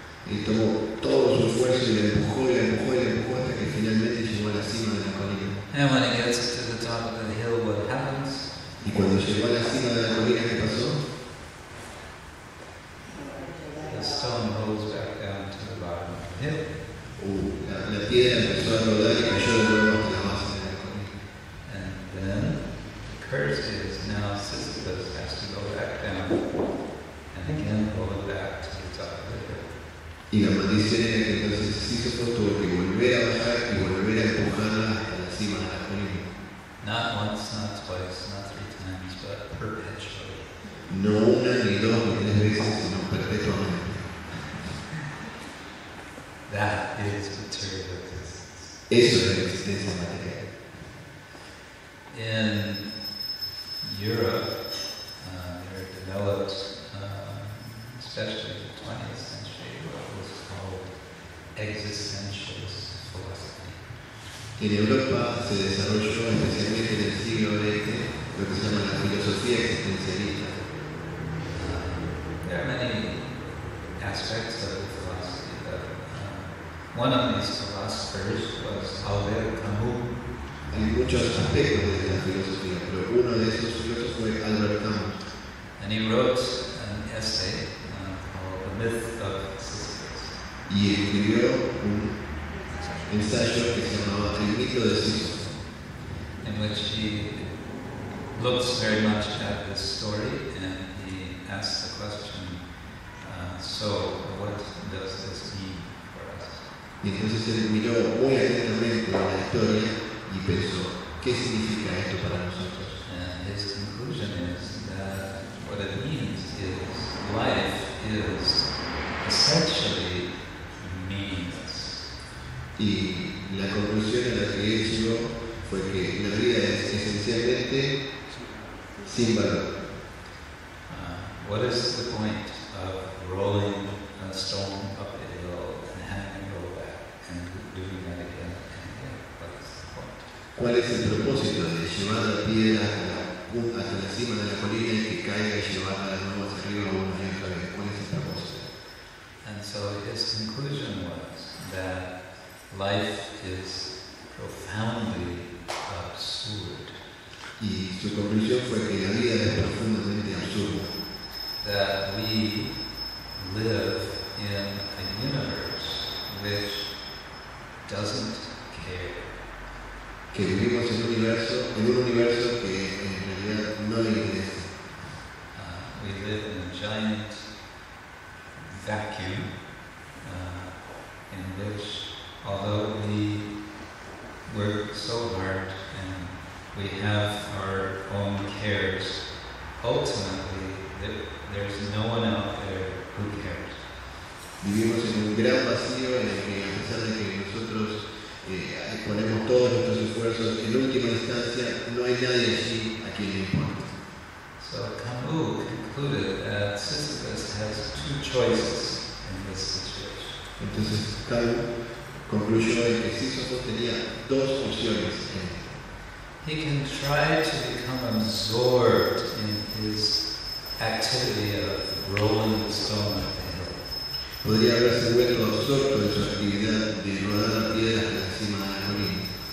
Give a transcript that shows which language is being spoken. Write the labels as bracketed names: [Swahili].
[Spanish] Y tomó todo su esfuerzo y le empujó y le empujó y le empujó hasta que finalmente llegó a la cima de la colina. [English] And when he gets to the top of the hill, what happens? [Spanish] Y cuando llegó a la cima de la colina, ¿qué pasó? [English] The stone rolls back down to the bottom of the hill. [Spanish] La piedra empezó a rodar y cayó de nuevo hasta la base de la colina. [English] And then the curse is now Sisyphus has to go back down and again roll it back to the top of the hill. [Spanish] Y la maldición era que entonces Sisyphus tuvo que volver a bajar y volver a empujarla hasta la cima de la colina. [English] Not once, not twice, not three times, but perpetually. [Spanish] No una ni dos ni tres veces, sino perpetuamente. [English] That is material existence. [Spanish] Eso es la existencia material. [English] In Europe, there are developed, especially in the 20th century, what was called existentialist philosophy. [Spanish] En Europa se desarrolló especialmente en el siglo XX lo que se llama la filosofía existencialista. [English] There are many aspects of the philosophy, but one of these philosophers was Albert Camus. [Spanish] Hay muchos aspectos de la filosofía, pero uno de esos filósofos fue Albert Camus. [English] And he wrote an essay called The Myth of Sisyphus. [Spanish] Y escribió un ensayo que se llamaba El mito de Sísifo. [English] In which he looks very much at this story and he asks the question, so what does this mean for us? [Spanish] Y entonces él miró muy atentamente a la historia y pensó, ¿qué significa esto para nosotros? [English] And his conclusion is that what it means is life is essentially meaningless. [Spanish] Y la conclusión a la que él llegó fue que la vida es esencialmente sin valor. [English] What is the point of rolling a stone up a hill and having it roll back and doing that again and again? What is the point? [Spanish] ¿Cuál es el propósito de llevar la piedra hasta la cima de la colina y que caiga y llevarla de nuevo hacia arriba o una vez otra vez? ¿Cuál es esta cosa? [English] And so his conclusion was that life is profoundly absurd. [Spanish] Y su conclusión fue que la vida es profundamente absurda. [English] That we live in a universe which doesn't care. [Spanish] Que vivimos en un universo que en realidad no le interesa. [English] We live in a giant vacuum in which, although we work so hard and we have our own cares, ultimately there's no one out there who cares. [Spanish] Vivimos en un gran vacío en el que, a pesar de que nosotros ponemos todos nuestros esfuerzos, en última instancia no hay nadie allí a quien le importe. [English] So Camus concluded that Sisyphus has two choices in this situation. [Spanish] Entonces Camus concluyó que Sisyphus tenía dos opciones. [English] He can try to become absorbed in his activity of rolling the stone up the hill. [Spanish] Podría haberse vuelto absorto en su actividad de rodar la piedra hasta la cima de la colina.